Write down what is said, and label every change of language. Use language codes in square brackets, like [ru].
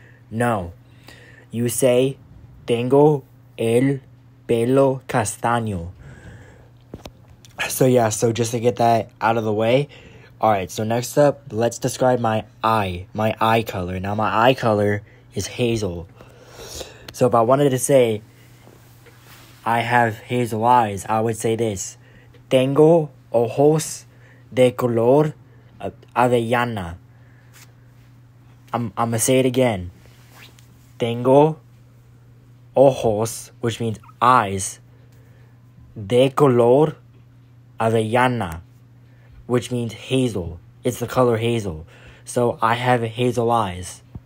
[en] No, you say [es] tengo el pelo castaño. [en] So just to get that out of the way. Alright, so next up, let's describe my eye color. Now, my eye color is hazel. So, if I wanted to say I have hazel eyes, I would say this. [es] Tengo ojos de color avellana. [en] I'm going to say it again. [es] Tengo ojos, [en] which means eyes, [es] de color avellana, [en] which means hazel. It's the color hazel. So I have hazel eyes.